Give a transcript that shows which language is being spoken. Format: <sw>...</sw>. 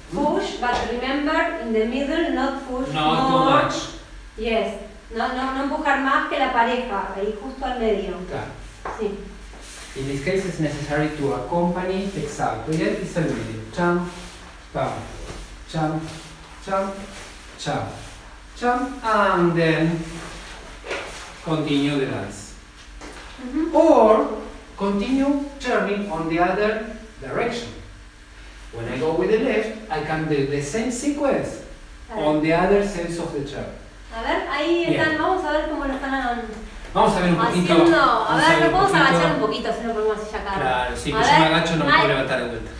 <en>Push, but remember in the middle, not push. Not more. Too much. Yes.</en> <es>No empujar más que la pareja, ahí justo al medio. Claro. Sí.</es> <en>In this case it's necessary to accompany, exacto. Yet it's</en> <es>al medio.</es> <en>Cham, pam, cham, cham, cham, cham, and then continue the dance. Mm-hmm. Or continue turning on the other direction. When I go with the left, I can do the same sequence on the other sense of the turn.</en> <es>A ver, ahí están, bien. Vamos a ver cómo lo están haciendo. Vamos a ver un poquito. Haciendo. A ver, lo podemos agachar un poquito, si no podemos así acá. Claro, sí, que si me agacho no me puedo levantar de vuelta.</es>